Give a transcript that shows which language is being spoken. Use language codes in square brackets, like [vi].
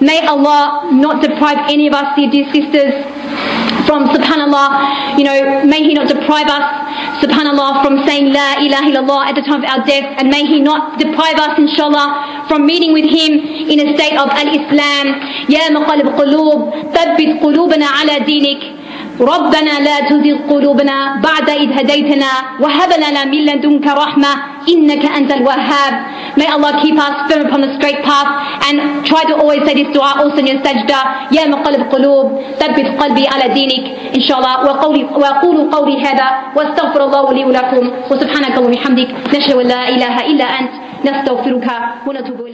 [en] May Allah not deprive any of us, dear sisters, from, subhanAllah, you know, may He not deprive us, subhanAllah, from saying La ilaha illallah at the time of our death, and may He not deprive us, inshallah, from meeting with Him in a state of al-Islam. [ar] Ya maqalib qulub, thabbit qulubana ala dinik. ربنا لا تزغ قلوبنا بعد إذ هديتنا وهب لنا من لدنك رحمة إنك أنت الوهاب. [en] May Allah keep us firm upon the straight path and try to always say this dua also in your sajda. [ar] يا مقلب قلوب ثبت قلبي على دينك إن شاء الله وقولوا قولي هذا واستغفر الله لي ولكم وسبحانك اللهم وبحمدك نشهد أن لا إله إلا أنت نستغفرك ونتوب إليك.